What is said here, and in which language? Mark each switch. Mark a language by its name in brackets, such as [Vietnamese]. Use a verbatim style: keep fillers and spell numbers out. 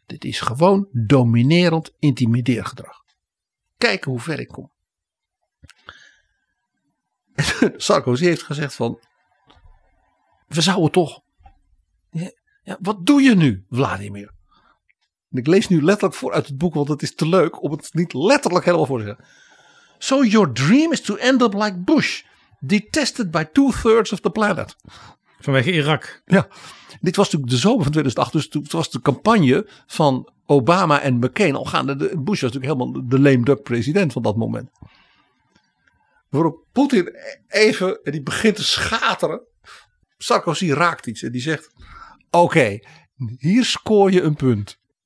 [Dutch] Dit is gewoon dominerend intimideergedrag. Kijken hoe ver ik kom. Sarkozy heeft gezegd van, we zouden toch, ja, ja, wat doe je nu, Vladimir? En ik lees nu letterlijk voor uit het boek, want het is te leuk om het niet letterlijk helemaal voor te zeggen. [English] So your dream is to end up like Bush, detested by two-thirds of the planet. [Dutch] Vanwege Irak. Ja, dit was natuurlijk de zomer van tweeduizend acht. Dus toen was de campagne van Obama en McCain al gaande. Bush was natuurlijk helemaal de lame duck president van dat moment. Waarop Poetin even, en die begint te schateren. Sarkozy raakt iets en die zegt, oké, okay, hier scoor je een punt.